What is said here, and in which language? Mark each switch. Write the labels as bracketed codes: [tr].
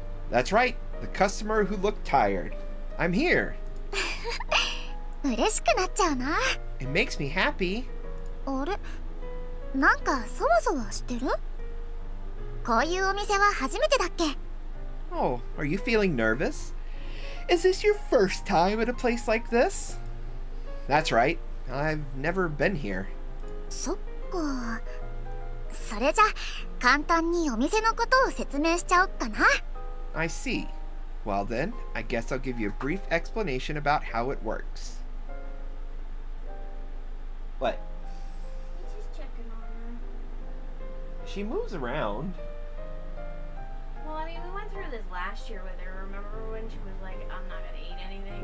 [en] That's right, the customer who looked tired. I'm here. [ja] 嬉しくなっちゃうな。 [en] It makes me happy. [ja] あれ、なんかそわそわしてる?こういうお店は初めてだっけ? [en] Oh, are you feeling nervous? Is this your first time at a place like this? That's right. I've never been here. [ja] そっか。それじゃ、簡単にお店のことを説明しちゃおっかな。 [en] I see. Well then, I guess I'll give you a brief explanation about how it works. What? He's just checking on her. She moves around. Well, I mean, we went through this last year with her. Remember when she was like, I'm not gonna eat anything?